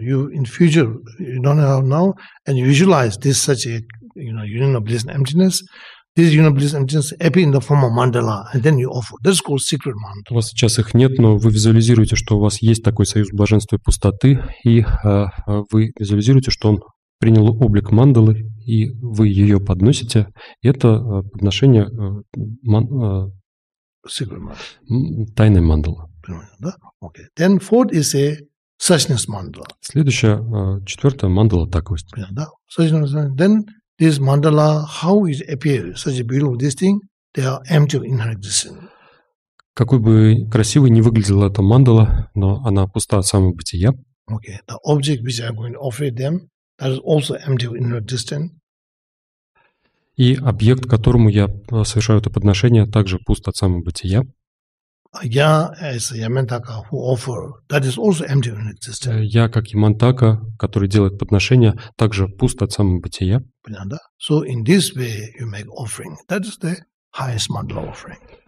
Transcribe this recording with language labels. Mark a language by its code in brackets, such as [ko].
[en] You in future you don't have now, and you visualize this such a union of bliss and emptiness. This union of bliss and emptiness appear in the form of mandala, and then you offer. This is called secret mandala. [ru] У вас сейчас их нет, но вы визуализируете, что у вас есть такой союз блаженства и пустоты, и вы визуализируете, что он принял облик мандалы, и вы ее подносите. Это подношение [en] secret mandala. [ru] Тайной мандалы. Да? [en] Okay. Then fourth is a suchness mandala. [ru] Следующая, четвертая мандала таковость. [en] Yeah, [ru] да. [en] Suchness, then this mandala, how it appears, such a beautiful this thing, they are empty of inner existence. [ru] Какой бы красивой ни выглядела эта мандала, но она пуста от самого бытия. [en] Okay, the object which I'm going to offer them, that is also empty of inner existence. [ru] И объект, которому я совершаю это подношение, также пуст от самого бытия. Я, как Ямантака, который делает подношение, также пуст от самого бытия. [en] So in this way you make offering. That is the highest mandala offering.